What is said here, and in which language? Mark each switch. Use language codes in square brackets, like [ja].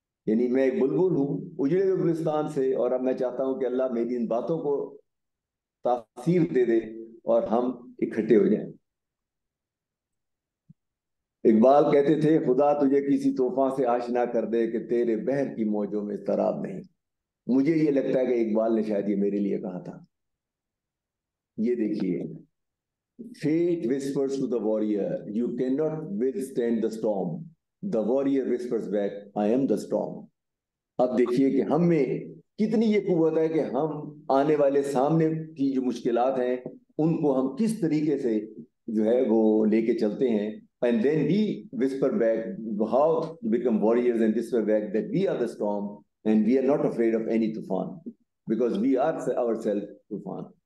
[ur] یعنی میں ایک بلبل ہوں اجڑے گلستان سے، اور اب میں چاہتا ہوں کہ اللہ میری ان باتوں کو تاثیر دے دے اور ہم اکٹھے ہو جائیں. اقبال کہتے تھے خدا تجھے کسی طوفان سے آشنا کر دے کہ تیرے بحر کی موجوں میں اضطراب نہیں. مجھے یہ لگتا ہے کہ اقبال نے شاید یہ میرے لیے کہا تھا. یہ دیکھیے، [en] Fate whispers to the warrior, you cannot withstand the storm, the warrior whispers back I am the storm. [ur] اب دیکھیے کہ ہم میں کتنی یہ قوت ہے کہ ہم آنے والے سامنے کی جو مشکلات ہیں ان کو ہم کس طریقے سے جو ہے وہ لے کے چلتے ہیں. [en] And then we whisper back how to become warriors and whisper back that we are the storm and we are not afraid of any طوفان because we are our self طوفان.